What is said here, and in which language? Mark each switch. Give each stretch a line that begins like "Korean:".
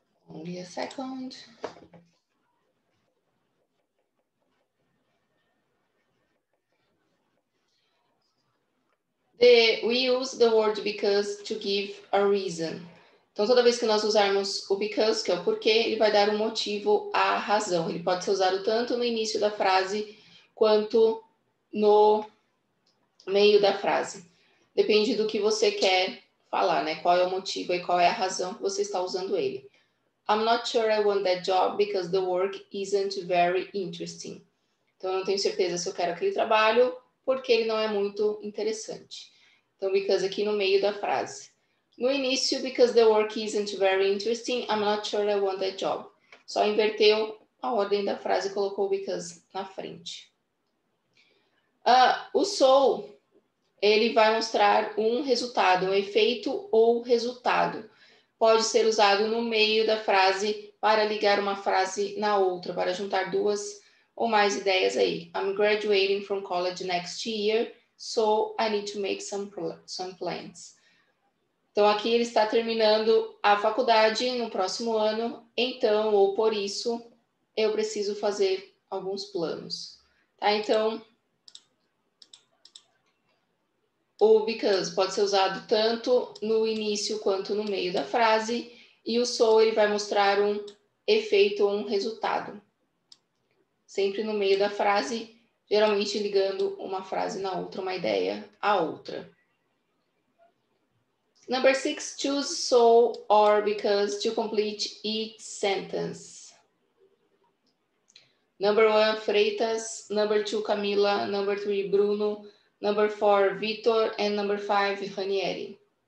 English: Only a second. We use the word because to give a reason.
Portuguese: Então, toda vez que nós usarmos o because, que é o porquê, ele vai dar um motivo à razão. Ele pode ser usado tanto no início da frase quanto no meio da frase. Depende do que você quer falar, né? Qual é o motivo e qual é a razão que você está usando ele.
English: I'm not sure I want that job because the work isn't very interesting.
Portuguese: Então, eu não tenho certeza se eu quero aquele trabalho porque ele não é muito interessante. Então, because aqui no meio da frase. No início,
English: because the work isn't very interesting, I'm not sure I want that job.
Portuguese: Só inverteu a ordem da frase e colocou because na frente. O so, ele vai mostrar um resultado, um efeito ou resultado. Pode ser usado no meio da frase para ligar uma frase na outra, para juntar duas ou mais ideias aí.
English: I'm graduating from college next year, so I need to make some plans.
Portuguese: Então, aqui ele está terminando a faculdade no próximo ano. Então, ou por isso, eu preciso fazer alguns planos. Tá? Então, o because pode ser usado tanto no início quanto no meio da frase. E o so, ele vai mostrar um efeito ou um resultado. Sempre no meio da frase, geralmente ligando uma frase na outra, uma ideia à outra.
English: Number 6, choose so or because to complete each sentence. Number 1, Freitas. Number 2, Camila. Number 3, Bruno. Number 4, Vitor. And number 5, Ranieri.